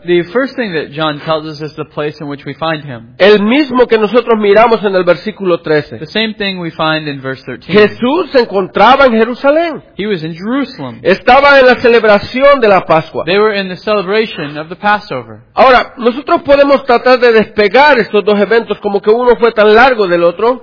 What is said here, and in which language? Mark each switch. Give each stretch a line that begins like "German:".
English: The first thing that John tells us is the place in which we find him.
Spanish: El mismo que nosotros miramos en el versículo 13.
English: The same thing we find in verse 13.
Spanish: Jesús se encontraba en Jerusalén.
English: He was in Jerusalem.
Spanish: Estaba en la celebración de la Pascua.
English: They were in the celebration of the Passover.
Spanish: Ahora, nosotros podemos tratar de despegar estos dos eventos como que uno fue tan largo del otro.